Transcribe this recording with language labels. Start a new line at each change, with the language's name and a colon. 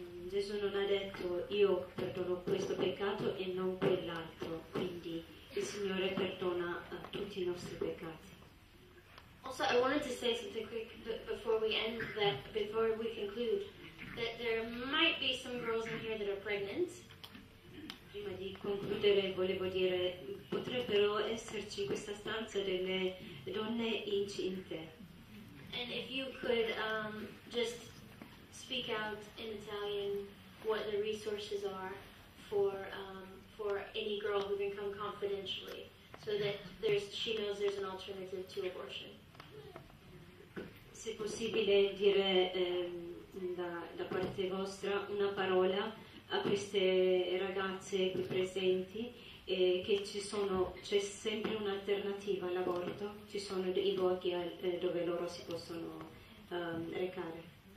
Italian: Gesù non ha detto io perdono questo peccato e non quell'altro, quindi il Signore perdona tutti i nostri peccati.
English: Also, I wanted to say something quick before. that before we conclude, that there might be some girls in here that are pregnant.
Italian: Prima di concludere, volevo dire, potrebbero esserci in questa stanza delle donne incinte.
English: And if you could just speak out in Italian what the resources are for any girl who can come confidentially, so that she knows there's an alternative to abortion.
Italian: Se possibile dire da parte vostra una parola a queste ragazze qui presenti, che c'è sempre un'alternativa all'aborto, ci sono i luoghi dove loro si possono recare.